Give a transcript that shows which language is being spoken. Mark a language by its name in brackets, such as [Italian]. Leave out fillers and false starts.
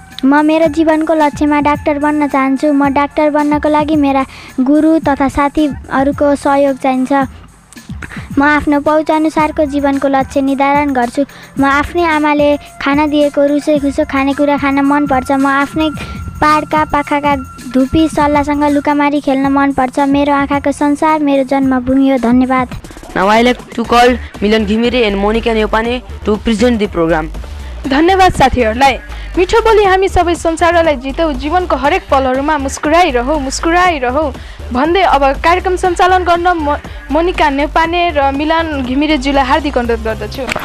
[Nepali] म मेरो जीवनको लक्ष्यमा डाक्टर बन्न चाहन्छु। म डाक्टर बन्नको लागि मेरा गुरु तथा साथीहरूको सहयोग चाहिन्छ। म आफ्नो पहुँचअनुसारको जीवनको लक्ष्य निर्धारण गर्छु। म आफ्नै आमाले खाना दिएको रुसो खुसो खानेकुरा खान मनपर्छ। म आफ्नै पहाडका पाखाका धुपी सल्लाहसँग लुकामारी खेल्न मनपर्छ। मेरो आँखाको संसार मेरो जन्मभूमि हो। धन्यवाद। [English] Now I like to call Milan Ghimire and Monica Nepane to present the program. [Nepali] धन्यवाद साथीहरूलाई। मिठो बोली हामी सबै संसारलाई जितौ जीवनको हरेक पलहरुमा मुस्कुराइरहौ भन्दै अब कार्यक्रम सञ्चालन गर्न मोनिका नेपाने र मिलन घिमिरे जुलाई हार्दिक अनुरोध गर्दछु